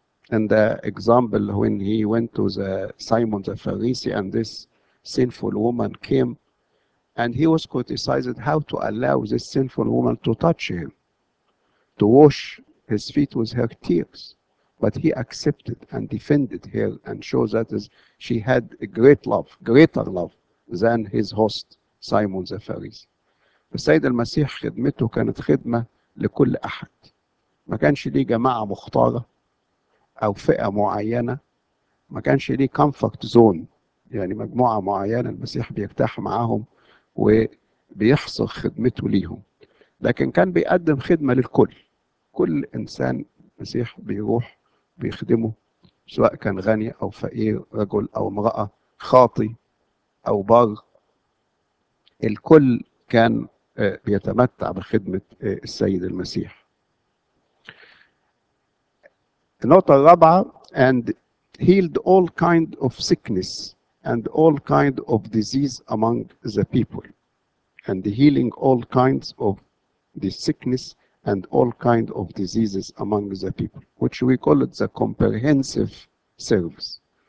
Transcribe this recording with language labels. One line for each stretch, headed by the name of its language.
English: And the example when he went to the Simon the Pharisee and this sinful woman came and he was criticized how to allow this sinful woman to touch him, to wash his feet with her tears. But he accepted and defended her and showed that she had a great love, greater love than his host, Simon the Pharisee.
Arabic: السيد المسيح خدمته كانت خدمة لكل أحد. ما كانش ليه جماعة مختارة أو فئة معينة. ما كانش ليه
English: comfort zone،
Arabic: يعني مجموعة معينة المسيح بيرتاح معهم وبيحصر خدمته ليهم. لكن كان بيقدم خدمة للكل. كل إنسان المسيح بيروح بيخدمه، سواء كان غني أو فقير، رجل أو امرأة، خاطي أو بار. الكل كان بيتمتع بخدمة السيد المسيح. النقطة الرابعة
English: and healed all kind of sickness and all kind of disease among the people and healing all kinds of the sickness and all kind of diseases among the people, which we call it the comprehensive service.